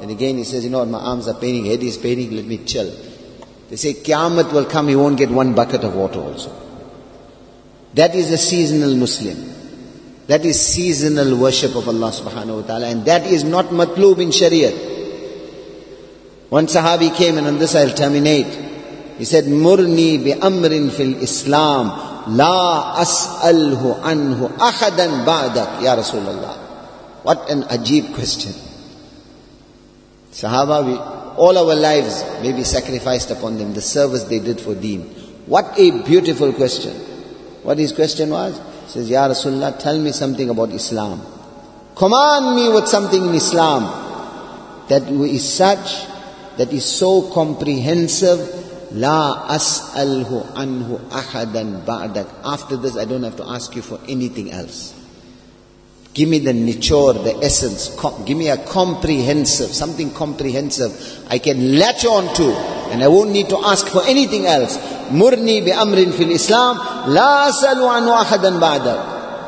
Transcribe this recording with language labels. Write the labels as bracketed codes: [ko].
[en] Then again he says, you know what, my arms are paining, head is paining, let me chill. They say, Qiyamah will come, he won't get one bucket of water also. That is a seasonal Muslim. That is seasonal worship of Allah subhanahu wa ta'ala, and that is not matloob in Shariat. One Sahabi came, and on this I'll terminate. [ar] He said, Murni bi amrin fil Islam. لا أسأله عنه أحدا بعدك يا رسول الله. [en] What an عجيب question. Sahaba, we, all our lives may be sacrificed upon them, the service they did for deen. What a beautiful question. What his question was? He says, Ya Rasulullah, tell me something about Islam. Command me with something in Islam that is such, that is so comprehensive. [ar] لا أسأله عنه أحدا بعدك. [en] After this, I don't have to ask you for anything else. Give me the nature, the essence. Give me a comprehensive, something comprehensive I can latch on to, and I won't need to ask for anything else. [ar] مرني بأمر في الإسلام لا أسأله عنه أحدا بعدك.